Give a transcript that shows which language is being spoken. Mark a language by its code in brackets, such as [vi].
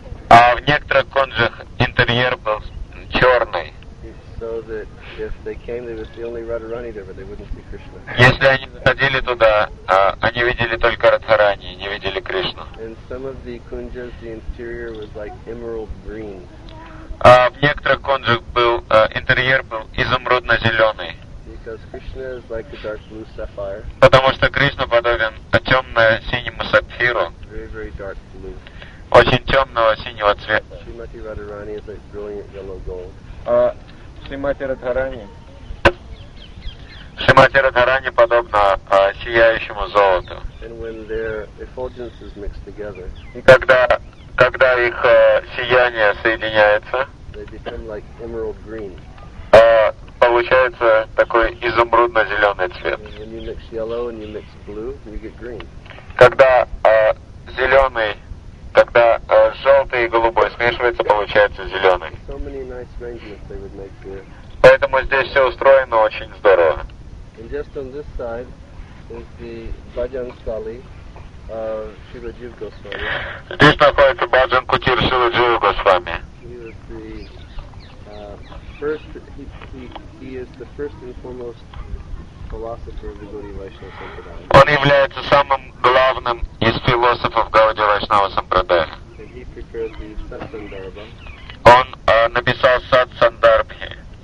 [ru] А в некоторых кунджах интерьер был черный. [en] So that if they came, they would see only Radharani there, but they wouldn't see Krishna. [ru] Если они ходили туда, они видели только Радхарани, не видели Кришну. [en] In some of the kunjas, the interior was like emerald green. [ru] В некоторых кунжах был интерьер был изумрудно-зеленый. [en] Because Krishna is like a dark blue sapphire. [ru] Потому что Кришна подобен темно-синему сапфиру. [en] Very, very dark blue. [ru] Очень темного синего цвета. [en] Shrimati Radharani is like brilliant yellow gold. [ru] Шримати Радхарани подобна сияющему золоту. [en] And when their effulgence is mixed together, [ru] и когда их сияние соединяется, [en] they become like emerald green. [ru] Получается такой изумрудно-зеленый цвет. [en] When you mix yellow and you mix blue, you get green. [ru] Когда желтый и голубой смешивается, получается зеленый. [en] So many nice arrangements they would make here. [ru] Поэтому здесь все устроено очень здорово. [en] And just on this side is the Bhajan Sali of Shivajiva Goswami. [ru] Здесь находится Bhajan Kutir Shivajiva Goswami. [en] He was the first. He is the first and foremost philosopher of the Gaudiya Vaishnava Sampradaya. [ru] Он является самым главным из философов Гауди Вайшнава Сампрадая. [en] And he prepared the Satsandarbha. [ru] Он написал Сатсандарбхи.